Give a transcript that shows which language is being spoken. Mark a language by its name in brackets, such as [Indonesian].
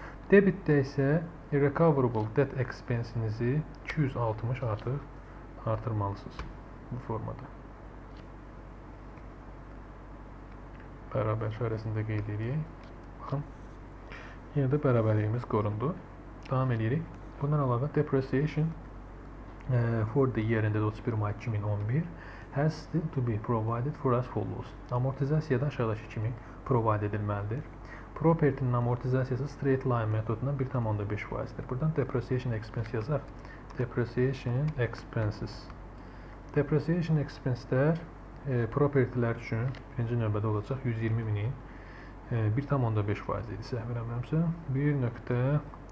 [Azerbaijani] Debitdə isə recoverable debt expense-inizi 260 artıq artırmalısınız bu formada. Bərabər işarəsində qeyd edirik. Baxın. Yenə də bərabərliyimiz qorundu. Davam edirik. Bundan əlavə [English] depreciation for the year ended 31 May 2011 has still to be provided for as follows. [Azerbaijani] Amortizasiya da aşağıdakı kimi provide edilməlidir. Property-nin amortizasiyası straight line metoduna 1,5%-dir. Buradan depreciation expense yazaq. [English] Depreciation expenses. [Azerbaijani] Depreciation expense-lər property-lər üçün birinci növbədə olacaq 120.000-i 1,5% idi. Səhv eləmirəmsə 1,5%.